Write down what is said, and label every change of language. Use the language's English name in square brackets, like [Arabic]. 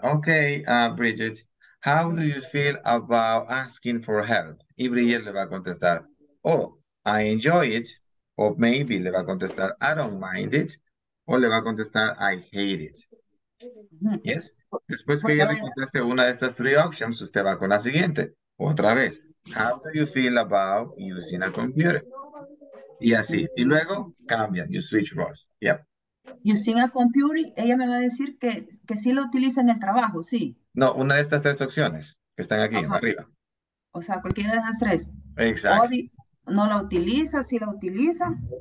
[English] Okay, Bridget, how do you feel about asking for help? [Spanish] Y Bridget le va a contestar, [English] oh, I enjoy it. [Spanish] O [English] maybe [Spanish] le va a contestar, [English] I don't mind it. [Spanish] O le va a contestar, [English] I hate it. Yes? [Spanish] Después que ella le conteste una de estas [English] three options, [Spanish] usted va con la siguiente. Otra vez. [English] How do you feel about using a computer? [Spanish] Y así. Y luego cambian. [English] You switch roles. Yep. [Spanish] Using a computer, ella me va a decir que sí lo utiliza en el trabajo, sí. No, una de estas tres opciones que están aquí, ajá, arriba. O sea, cualquiera de esas tres. Exacto. No la utiliza, sí la utiliza.